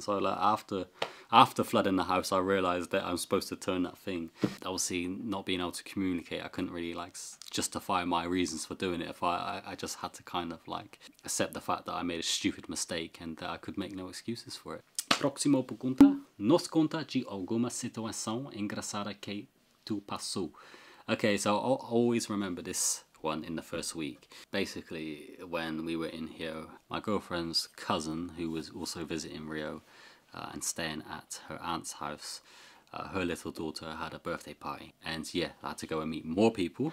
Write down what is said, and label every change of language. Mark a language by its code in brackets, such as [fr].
[en] So like after flooding the house, I realized that I'm supposed to turn that thing. Obviously, not being able to communicate, I couldn't really like justify my reasons for doing it. I just had to kind of like accept the fact that I made a stupid mistake and that I could make no excuses for it. [pt] Próxima pergunta. Nos conta de alguma situação engraçada que tu passou. [en] Okay, so I'll always remember this one in the first week. Basically, when we were in here, my girlfriend's cousin, who was also visiting Rio, and staying at her aunt's house, her little daughter had a birthday party, and yeah, I had to go and meet more people.